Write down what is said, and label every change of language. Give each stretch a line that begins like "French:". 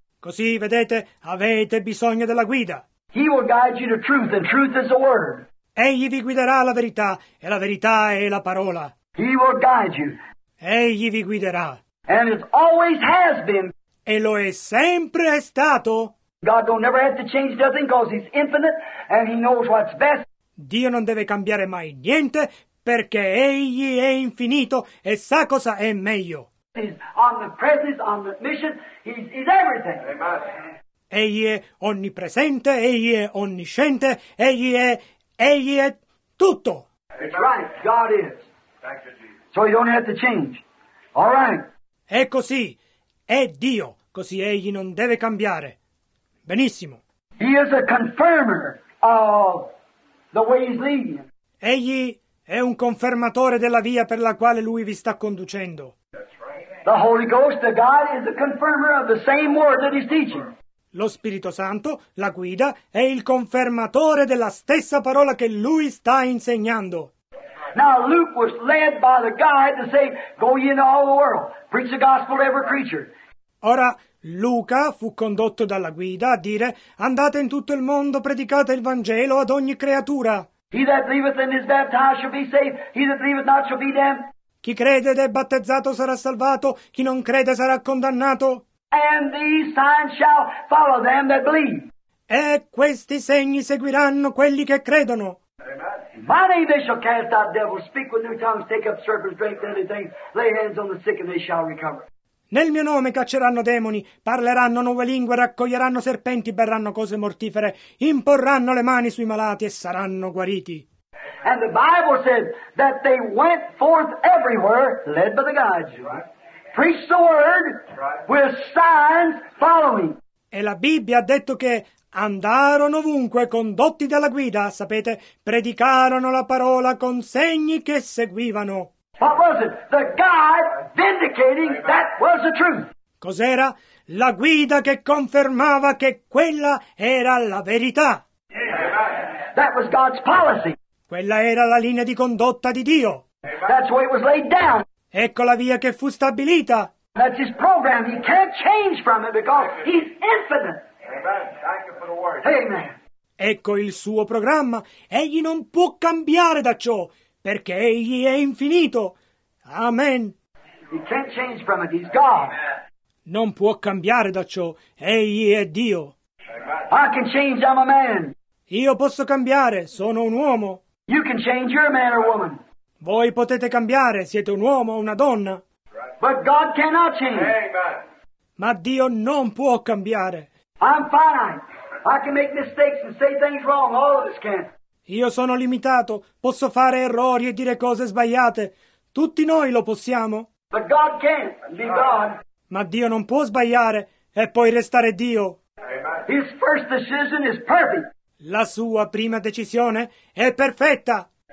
Italian: Così, vedete, avete bisogno della guida.
English: He will guide you to truth, and truth is the word.
Italian: Egli vi guiderà alla verità, e la verità è la parola.
English: He will guide you.
Italian: Egli vi guiderà.
English: And it always has been.
Italian: E lo è sempre stato.
English: God don't never have to change nothing because he's infinite and he knows what's best.
Italian: Dio non deve cambiare mai niente perché egli è infinito e sa cosa è meglio.
English: He's omnipresent, omniscient, he's everything. Amen.
Italian: Egli è onnipresente, egli è onnisciente, egli è tutto.
English: It's right, God is. Thank you, Jesus. So you don't have to change. All right.
Italian: È così, è Dio, così egli non deve cambiare. Benissimo.
English: He is a confirmer of the way he's leading.
Italian: Egli è un confermatore della via per la quale lui vi sta conducendo.
English: The Holy Ghost, the God, is a confirmer of the same word that he's teaching.
Italian: Lo Spirito Santo, la guida, è il confermatore della stessa parola che lui sta insegnando.
English: Now Luke was led by the guide to say, go ye into all the world, preach the gospel to every creature.
Italian: Ora, Luca fu condotto dalla guida a dire, andate in tutto il mondo, predicate il Vangelo ad ogni creatura.
English: He that believeth and is baptized shall be saved, he that believeth not shall be damned.
Italian: Chi crede ed è battezzato sarà salvato, chi non crede sarà condannato.
English: And these signs shall follow them that believe.
Italian: E questi segni seguiranno quelli che credono.
English: My name they shall cast out devils, speak with new tongues, take up serpents, drink deadly things, lay hands on the sick and they shall recover.
Italian: Nel mio nome cacceranno demoni, parleranno nuove lingue, raccoglieranno serpenti, berranno cose mortifere, imporranno le mani sui malati e saranno guariti.
English: And the Bible said that they went forth everywhere, led by the guides, right? Preached the word, right, with signs following.
Italian: E la Bibbia ha detto che andarono ovunque, condotti dalla guida, sapete, predicarono la parola con segni che seguivano.
English: What was it? The God vindicating that was the truth.
Italian: Cos'era? La guida che confermava che quella era la verità.
English: Amen. That was God's policy.
Italian: Quella era la linea di condotta di Dio.
English: Amen.
Italian: That's why it was laid down.
English: Ecco la via che fu stabilita. That's his program. He can't change from it because he's infinite. Amen. Thank you for the word. Amen.
Italian: Ecco il suo programma. Egli non può cambiare da ciò. Perché egli è infinito. Amen.
English: He can't change from it. He's God.
Italian: Non può cambiare da ciò. Egli è Dio.
English: I can change. I'm a man.
Italian: Io posso cambiare. Sono un uomo.
English: You can change. You're a man or woman.
Italian: Voi potete cambiare. Siete un uomo o una donna.
English: But God cannot change. Amen.
Italian: Ma Dio non può cambiare.
English: I'm fine. I can make mistakes and say things wrong. All of us can.
Italian: Io sono limitato, posso fare errori e dire cose sbagliate. Tutti noi lo possiamo.
English: But God can't be God.
Italian: Ma Dio non può sbagliare e poi restare Dio.
English: Amen. His first decision is perfect.
Italian: La sua prima decisione è perfetta.